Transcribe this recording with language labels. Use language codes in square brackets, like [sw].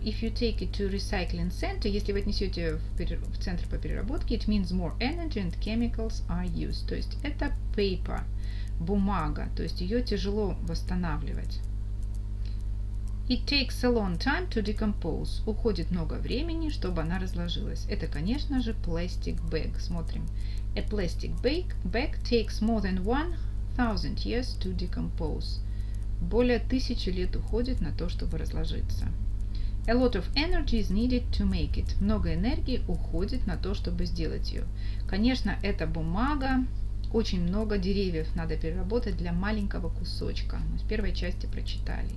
[en] If you take it to recycling center, [ru] если вы отнесете в центр по переработке, [en] it means more energy and chemicals are used. [ru] То есть это paper, бумага, то есть ее тяжело восстанавливать. [en] It takes a long time to decompose. [ru] Уходит много времени, чтобы она разложилась. Это, конечно же, plastic bag. Смотрим. [en] A plastic bag takes more than 1,000 years to decompose. [ru] Более 1000 лет уходит на то, чтобы разложиться. [en] A lot of energy is needed to make it. [ru] Много энергии уходит на то, чтобы сделать ее. Конечно, это бумага. Очень много деревьев надо переработать для маленького кусочка. Мы в первой части прочитали.